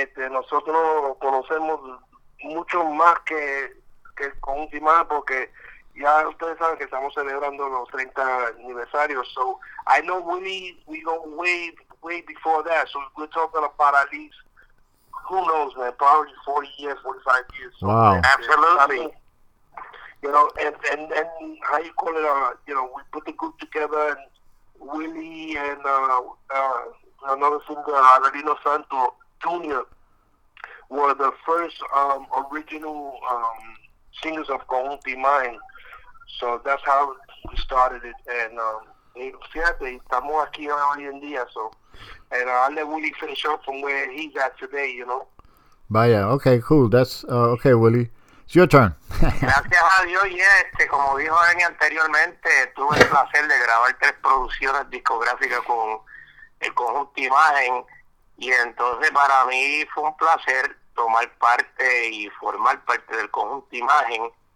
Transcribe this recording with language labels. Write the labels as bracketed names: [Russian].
[Spanish] Nosotros conocemos mucho más que el Conjunto Imagen, porque ya ustedes saben que estamos celebrando los 30 aniversarios. [English] So I know we go way before that, so we're talking about at least, who knows, man, probably 40 years, 45 years. Wow. Yeah, absolutely. And how you call it, we put the group together, and Willie and another singer, Adelino Santo Jr., were the first original singers of Conjunto Imagen. So that's how we started it. And [Spanish] fíjate, estamos aquí hoy en día. [English] So, and I'll let Willie finish up from where he's at today, you know? Vaya, okay, cool. That's okay, Willie. It's your turn. [Spanish] Gracias a Dios, y como dijo Ernie anteriormente, tuve el placer de grabar tres producciones discográficas con el Conjunto Imagen, y entonces para mí fue un placer tomar parte y formar parte del Conjunto Imagen.